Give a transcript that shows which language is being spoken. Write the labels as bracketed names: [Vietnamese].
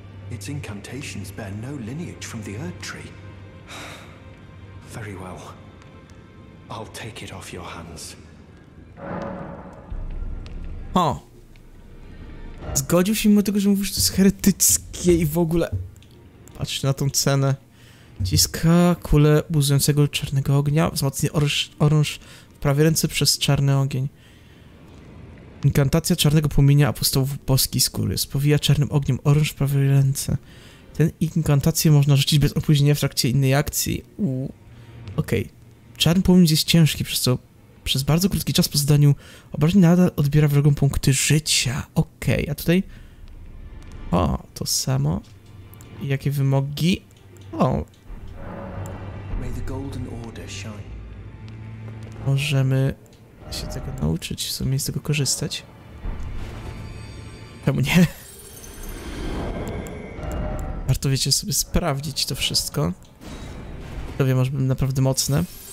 [English] Its incantations bear no lineage from the Earth Tree. Very well. I'll take it off your hands. O! [Polish] Zgodził się mimo tego, że mówisz, że to jest heretyckie i w ogóle... Patrzcie na tą cenę. Ciska kulę buzującego czarnego ognia, wzmocni orąż w prawej ręce przez czarny ogień. Inkantacja czarnego płomienia apostołów boskiej skóry. Spowija czarnym ogniem oręż w prawej ręce. Ten inkantację można rzucić bez opóźnienia w trakcie innej akcji. Okej. Okay. Czarny płomień jest ciężki, przez co przez bardzo krótki czas po zdaniu obrażeń nadal odbiera wrogą punkty życia. Okej, okay. A tutaj... O, to samo. Jakie wymogi? O. [English] May the golden order shine. [Polish] Możemy... się tego nauczyć, w sumie z tego korzystać. Czemu nie? Warto, wiecie, sobie sprawdzić to wszystko. To wie, może bym naprawdę mocne.